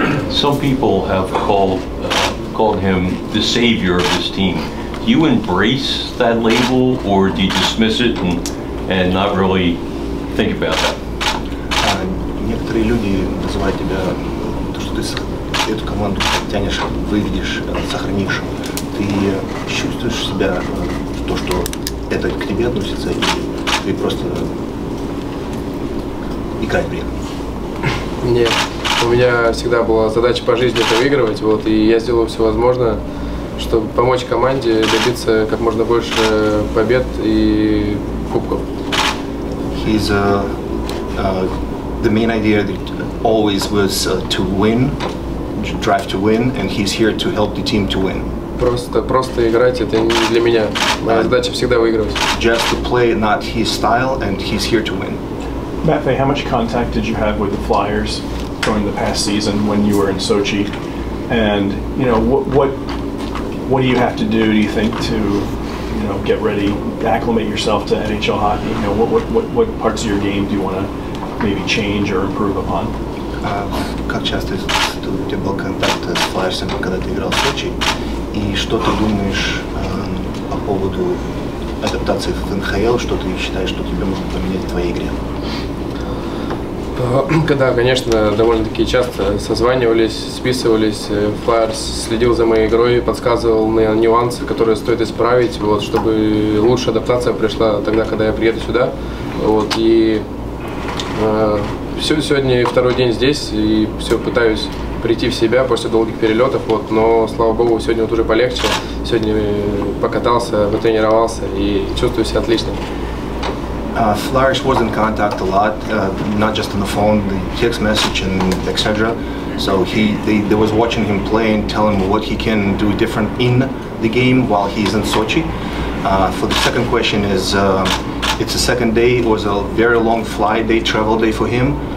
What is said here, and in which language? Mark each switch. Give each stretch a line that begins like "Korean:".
English: Some people have called him the savior of this team. Do you embrace that label, or do you dismiss it and not really think about that?
Russian: Некоторые люди называют тебя, что ты эту команду тянешь, выведешь, сохранишь. Ты чувствуешь себя, то, что это к тебе относится, и ты просто играть при этом. Нет, у меня всегда была задача по жизни это выигрывать, вот, и я сделал все возможное, чтобы помочь команде добиться как можно больше побед и кубков.
English: The main idea always was to win, drive to win, and he's here to help the team to win.
Russian: Просто играть, это не для меня. Моя задача всегда выигрывать.
English: Just to play, not his style, and he's here to win. Matvei, how much contact did you have with the Flyers during the past season when you were in Sochi? And what do you have to do? Do you think to get ready, acclimate yourself to NHL hockey? What parts of your game do you want to maybe change or improve upon?
Russian: Как часто у тебя был контакт с Флайерсом, когда ты играл в Сочи? И что ты думаешь по поводу адаптации в НХЛ? Что ты считаешь, что тебе может поменять в твоей игре? Когда, конечно, довольно-таки часто созванивались, списывались, Флайерс следил за моей игрой, подсказывал мне нюансы, которые стоит исправить, вот, чтобы лучшая адаптация пришла тогда, когда я приеду сюда. Вот, и сегодня второй день здесь, и все пытаюсь прийти в себя после долгих перелетов, вот, но слава богу, сегодня вот уже полегче. Сегодня покатался, потренировался и чувствую себя отлично.
English: Flyers was in contact a lot, not just on the phone, the text message and etc. So they was watching him play and telling him what he can do different in the game while he's in Sochi. For the second question is it's the second day. It was a very long flight day, travel day for him.